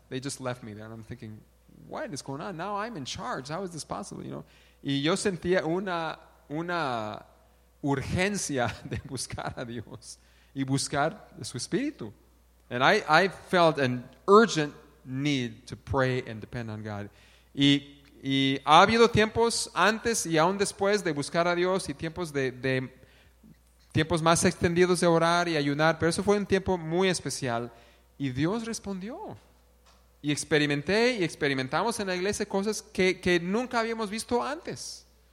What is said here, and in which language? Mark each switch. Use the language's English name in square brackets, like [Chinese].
[English] They just left me there. And I'm thinking, what is going on? Now I'm in charge. How is this possible? You know? [Spanish] Y yo sentía una urgencia de buscar a Dios y buscar su Espíritu. [English] And I felt an urgent need to pray and depend on God. [Spanish] Y ha habido tiempos antes y aún después de buscar a Dios y tiempos de tiempos más extendidos de orar y ayunar, pero eso fue un tiempo muy especial y Dios respondió. Y experimenté y experimentamos en la iglesia cosas que nunca habíamos visto antes.